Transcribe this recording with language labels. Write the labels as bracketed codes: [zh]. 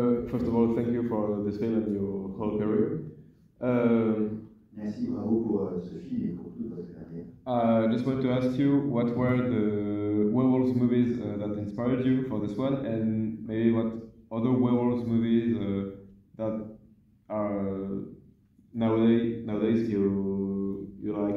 [en] First of all, thank you for this film and your whole career. [fr] Merci, bravo pour ce film et pour toute votre carrière. [en] I just want to ask you, what were the werewolves movies that inspired you for this one, and maybe what other werewolves movies that are nowadays you like?